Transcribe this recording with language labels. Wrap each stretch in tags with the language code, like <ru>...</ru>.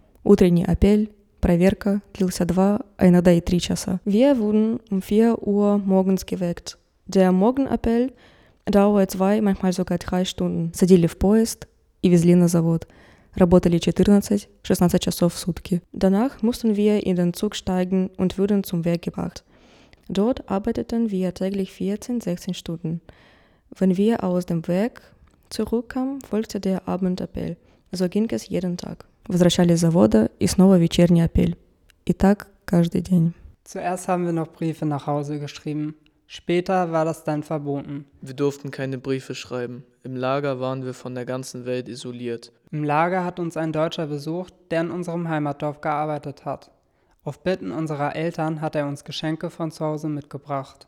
<ru>Утренний апель, проверка, длился 2, а иногда и 3 часа.</ru> <de>Wir wurden um 4 Uhr morgens geweckt. Der Morgenappell dauert 2, manchmal sogar 3 Stunden.</de> <ru>Садили в поезд и везли на завод. Работали 14-16 часов в сутки.</ru> <de>Danach mussten wir in den Zug steigen und wurden zum Werk gebracht. Dort arbeiteten wir täglich 14-16 Stunden. Wenn wir aus dem Werk zurückkamen, folgte der Abendappell. So ging es jeden Tag.</de> <ru>Возвращались с завода и снова вечерний апель. И так каждый день.</ru> <de>Zuerst haben wir noch Briefe nach Hause geschrieben. Später war das dann verboten. Wir durften keine Briefe schreiben. Im Lager waren wir von der ganzen Welt isoliert. Im Lager hat uns ein Deutscher besucht, der in unserem Heimatdorf gearbeitet hat. Auf Bitten unserer Eltern hat er uns Geschenke von zu Hause mitgebracht.</de>